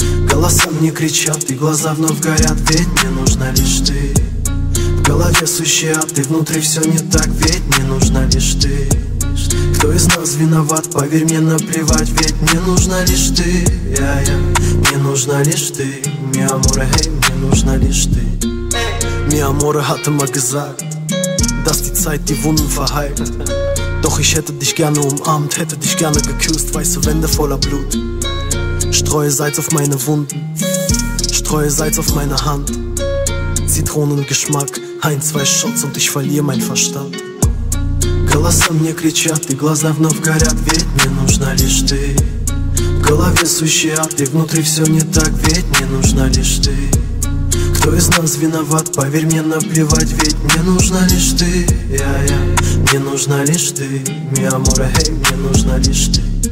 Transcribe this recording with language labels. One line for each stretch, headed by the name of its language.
Russian: Голоса мне кричат, и глаза вновь горят, ведь мне нужна лишь ты. В голове сущий ад, и внутри все не так, ведь мне нужна лишь ты. Кто из нас виноват, поверь мне, наплевать, ведь мне нужна лишь ты. Я-я, мне нужна лишь ты. Ми амора, эй, мне нужна лишь ты.
German: Mir amore, hat immer gesagt, dass die Zeit die Wunden verheilt. Doch ich hätte dich gerne umarmt, hätte dich gerne geküsst. Weiße Wände voller Blut, streue Salz auf meine Wunden, streue Salz auf meine Hand. Zitronengeschmack, ein, zwei Shots und ich verliere mein Verstand.
Russian: Голоса мне кричат, и глаза вновь горят, ведь мне нужна лишь ты. В голове сущий ад, и внутри все не так, ведь мне нужна лишь ты. Кто из нас виноват, поверь мне, наплевать, ведь мне нужна лишь ты. Я-я, мне нужна лишь ты. Ми амора, эй, мне нужна лишь ты.